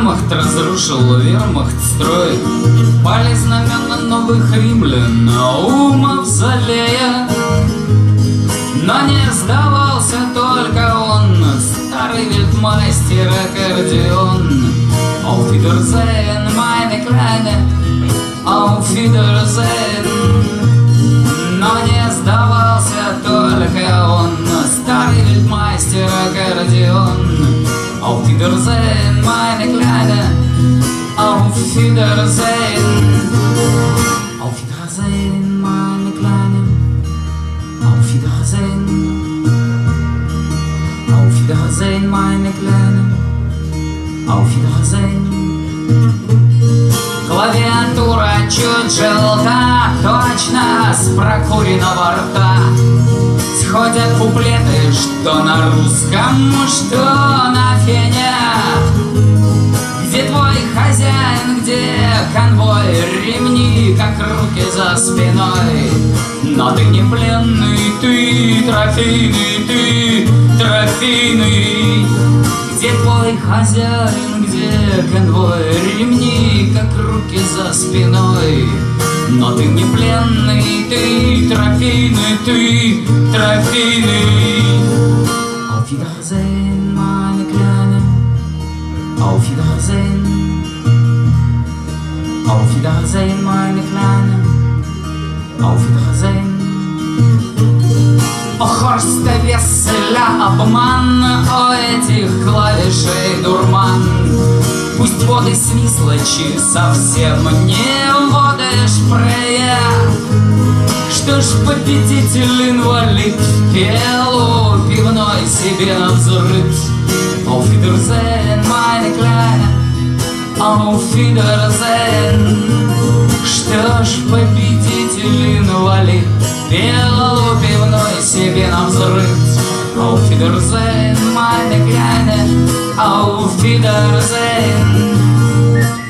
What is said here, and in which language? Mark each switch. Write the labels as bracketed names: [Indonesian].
[Russian] Разрушил вермахт строй, пали знамена новых римлян, а ума в залея. Но не сдавался только он, старый вельтмайстер аккордеон. [German] Auf Wiedersehen, meine Kleine, auf Wiedersehen. [Russian] Но не сдавался только он, старый вельтмайстер аккордеон. [German] Auf Wiedersehen, meine Kleine, auf Wiedersehen. Auf Wiedersehen, meine Kleine, auf Wiedersehen. Auf Wiedersehen, meine Kleine, auf Wiedersehen. [Russian] Клавиатура чуть желта, точно с прокуренного рта. Сходят куплеты, что на русском, что на фене. Где твой хозяин, где конвой? Ремни, как руки за спиной. Но ты не пленный, ты трофейный, ты трофейный. Где твой хозяин, где конвой? Ремни, как руки за спиной. Но ты не пленный, ты трофейный. [German] Auf Wiedersehen, meine Kleine, auf Wiedersehen. Auf Wiedersehen, meine Kleine, auf Wiedersehen. [Russian] О, Хорст Весселя, обман, о, этих клавишей дурман. Пусть воды Свислочи совсем не воды Шпрее. Что ж победитель-инвалид пел у пивной себе на взрыв? [German] Auf Wiedersehen, meine Kleine, auf Wiedersehen. [Russian] Что ж победитель-инвалид пел у пивной себе на взрыв? [German] Auf Wiedersehen, meine Kleine, auf Wiedersehen.